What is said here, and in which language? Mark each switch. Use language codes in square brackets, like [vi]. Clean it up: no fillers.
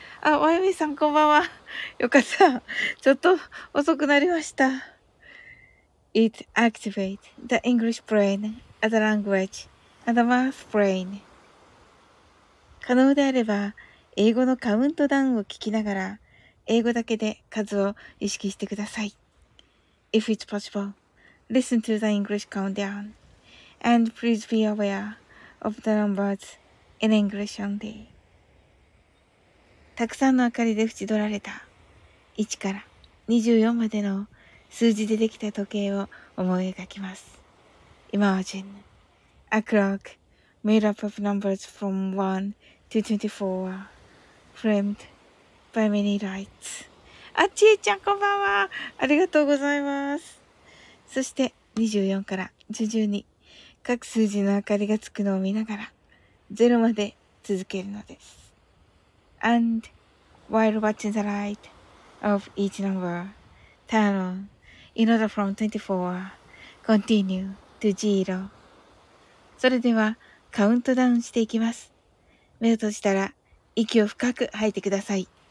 [ja] あ、おやみさん、こんばんは。よかった。ちょっと遅くなりました。 [en] It activates the English brain as a language and a math brain。 [ja] 可能であれば、英語のカウントダウンを聞きながら、英語だけで数を意識してください。 [en] If it's possible, listen to the English countdown. And please be aware of the numbers in English only. [ja] たくさんの明かりで縁取られた1から24までの数字でできた時計を思い描きます。 [en] Imagine a clock made up of numbers from 1 to 24 framed by many lights。 [ja] あ、ちえちゃん、こんばんは。ありがとうございます。そして24から順々に各数字の明かりがつくのを見ながら0まで続けるのです。 [en] And while watching the light of each number turn on in order from 24, continue to 0. [ja] それではカウントダウンしていきます。目を閉じたら息を深く吐いてください。